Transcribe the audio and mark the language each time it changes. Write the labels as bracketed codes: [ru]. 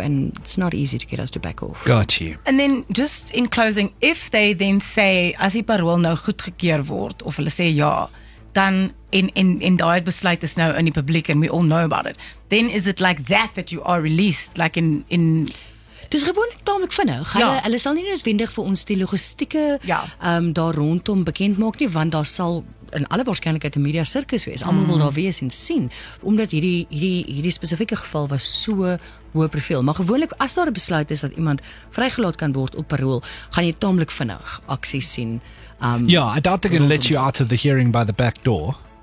[en] And it's not easy to get us to back off. Got you. And then just in closing, if they then say, [af] as die parool nou goedgekeur word, of hulle sê ja, dan in die besluit is nou in die publiek [en] and we all know about it, then is it like that you are released? Like in... [af] Dis gewoonlik tamelik vinnig. Hulle sal nie noodwendig vir ons die logistieke daar rondom bekend maak nie, want daar sal in alle waarskynlikheid 'n media sirkus wees. Almal wil daar wees en sien, omdat hierdie spesifieke geval was so hoë profiel. Maar gewoonlik, as daar 'n besluit is dat iemand vrygelaat kan word op parool, gaan jy tamelik vinnig aksie sien. [en] I doubt they're going to let you out of the hearing by the back door.